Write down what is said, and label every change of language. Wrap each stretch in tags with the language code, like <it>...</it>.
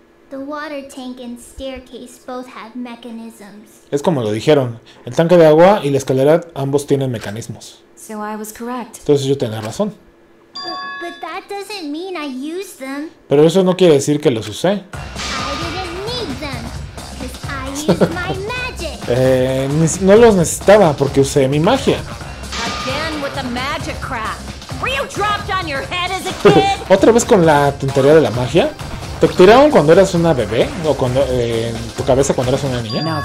<en>The water tank and staircase both have mechanisms.</en> <es>Es como lo dijeron. El tanque de agua y la escalera ambos tienen mecanismos.</es> <en>So I was correct.</en> <es>Entonces yo tenía razón.</es> <en>But that doesn't mean I used them.</en> <es>Pero eso no quiere decir que los usé.</es> <en>I didn't need them, 'cause I used my magic.</en> <es>No los necesitaba porque usé mi magia.</es> <en>Again with the magic crap. Were you dropped on your head as a kid?</en> <es>¿Otra vez con la tontería de la magia? ¿Te tiraron cuando eras una bebé? ¿O cuando, en tu cabeza cuando eras una niña?</es>